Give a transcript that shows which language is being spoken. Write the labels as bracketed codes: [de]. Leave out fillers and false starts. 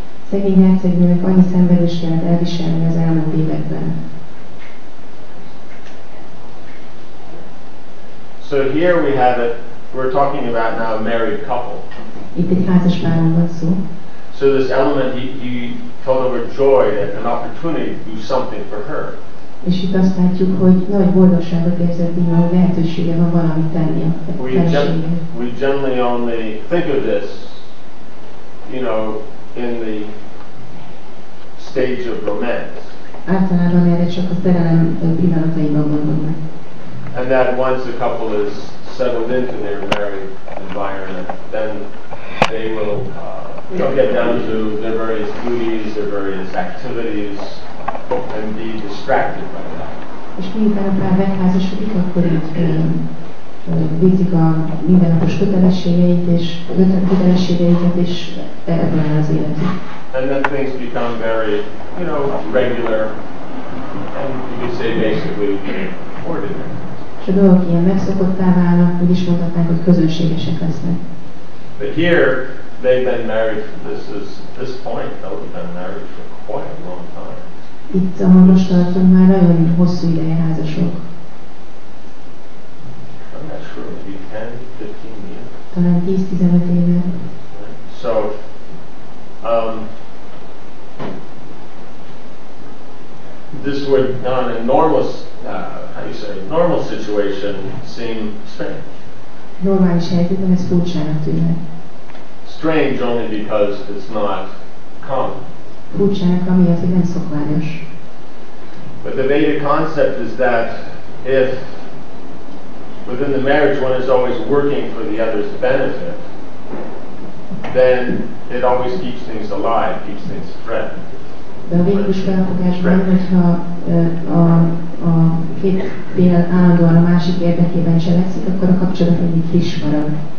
[hu] Szegény hercegnőnek annyi szenvedés kellett elviselni az elmúlt években. [en] So here we have it. We're talking about now a married couple. [hu] Itt egy házas párról van szó. [en] So this element, he felt overjoyed at an opportunity to do something for her. [hu] És itt azt látjuk, hogy nagy boldogságot érzett Bhima, hogy lehetősége van valamit tenni a feleségére. [en] We generally only think of this, you know, in the stage of romance. [hu] Általában erre csak a szerelem pillanataiban gondolnak. [en] And that once a couple is settled into their married environment, then they will get down to their various duties, their various activities, and be distracted by that. [hu] És miután a pár megházasodik, akkor itt végzik a mindennapos kötelességeit és kötelességeiket, és elvonul az életük. [en] And then things become very, you know, regular, and you could say basically ordinary. [hu] És a dolgok ilyen megszokottá válnak, úgy is mondhatnánk, hogy közönségesek lesznek. [en] But here, they've been married, this point, they've been married for quite a long time. [hu] Itt, ahol most tartom, már nagyon hosszú ideje házasok. [en] I'm not sure, maybe 10, 15 years. [hu] Talán 10-15 éve. [en] So, this would, on a normal, how you say, normal situation, seem strange. [hu] Normális helyzetben ez furcsának tűnhet. [en] Strange only because it's not common. [hu] Furcsának amiatt, hogy nem szokványos. [en] But the Vedic concept is that if within the marriage one is always working for the other's benefit, then it always keeps things alive, keeps things fresh. [hu] De a védikus felfogásban, hogyha a két fél állandóan a másik érdekében cselekszik, akkor a kapcsolat mindig friss marad.